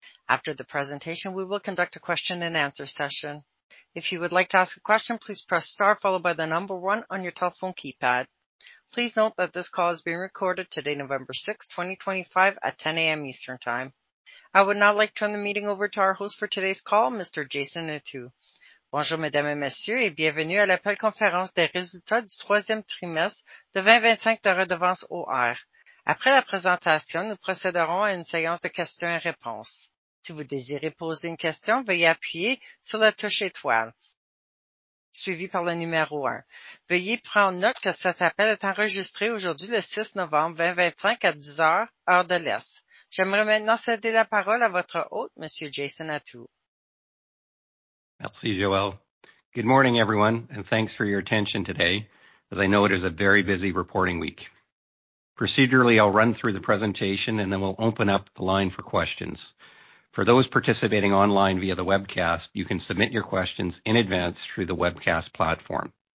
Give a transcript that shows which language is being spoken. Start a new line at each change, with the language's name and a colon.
English: After the presentation, we will conduct a question-and-answer session. If you would like to ask a question, please press star followed by the number one on your telephone keypad. Please note that this call is being recorded today, November 6, 2025, at 10:00 A.M. Eastern Time. I would now like to turn the meeting over to our host for today's call, Mr. Jason Attew.
French: Bonjour, mesdames et messieurs, et bienvenue à l'appel conférence des résultats du troisième trimestre de 2025 de Redevance OR. Après la présentation, nous procéderons à une séance de questions-réponses. Si vous désirez poser une question, veuillez appuyer sur la touche étoile, suivie par le numéro un. Veuillez prendre note que cet appel est enregistré aujourd'hui, le 6 novembre 2025, à 10:00 heure de l'Est. J'aimerais maintenant céder la parole à votre hôte, Monsieur Jason Attew. Merci, Joelle.
English: Good morning, everyone, and thanks for your attention today, as I know it is a very busy reporting week. Procedurally, I'll run through the presentation, and then we'll open up the line for questions. For those participating online via the webcast, you can submit your questions in advance through the webcast platform.